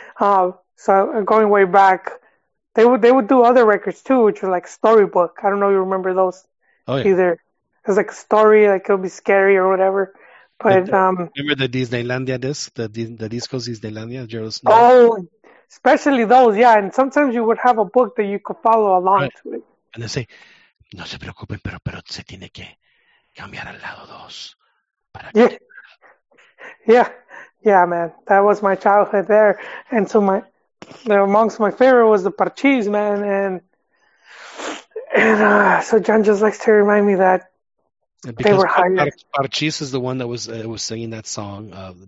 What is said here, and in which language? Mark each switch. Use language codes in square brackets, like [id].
[en] So going way back, they would do other records too, which were like Storybook. I don't know if you remember those either. It was like a story, like it would be scary or whatever. But remember the Disneylandia disc, the disco Disneylandia, Gerald Snow? Oh, especially those, yeah. And sometimes you would have a book that you could follow along to it. [es] And they say, no se preocupen, pero se tiene que cambiar al lado dos. Para que... [en] Yeah, man. That was my childhood there. And so amongst my favorite was the parchís, man. And so John just likes to remind me that they were hired. Parchís is the one that was singing that song.